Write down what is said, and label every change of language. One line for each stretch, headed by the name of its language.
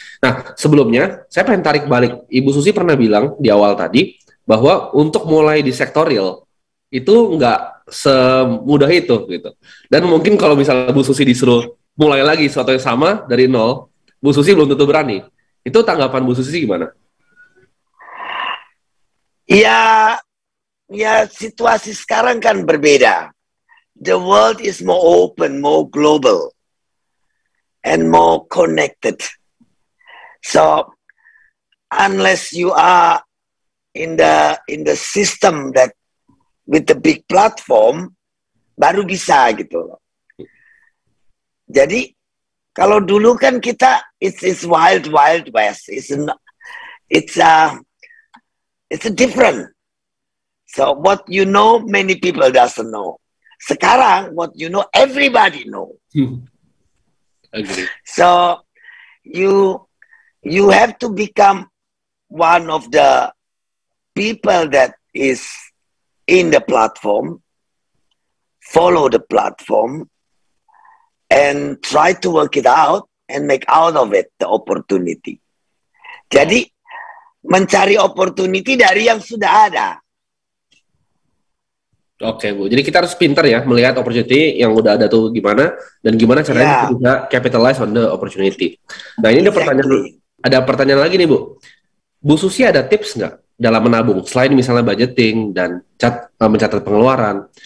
Indonesian: Nah, sebelumnya saya pengen tarik balik. Ibu Susi pernah bilang di awal tadi bahwa untuk mulai di sektor real itu nggak semudah itu gitu. Dan mungkin kalau misalnya Bu Susi disuruh mulai lagi sesuatu yang sama dari nol, Bu Susi belum tentu berani. Itu tanggapan Bu Susi gimana? Ya, ya situasi sekarang kan berbeda.
English: The world is more open, more global, and more connected. So, unless you are in the system that with the big platform,
Indonesian: baru bisa gitu. Jadi kalau dulu kan kita
English: it's wild wild west, it's a different. So what you know, many people doesn't know. Sekarang what you know, everybody know. Agree. So you have to become one of the people that is in the platform, follow the platform, and try to work it out and make out of it the opportunity.
Indonesian: Jadi mencari opportunity dari yang sudah ada. Oke, Bu. Jadi kita harus pintar ya melihat opportunity yang udah ada tuh gimana dan gimana caranya kita bisa
English: capitalize on the opportunity.
Indonesian: Nah, ini ada pertanyaan lagi nih, Bu. Bu Susi ada tips enggak dalam menabung selain misalnya budgeting dan mencatat pengeluaran?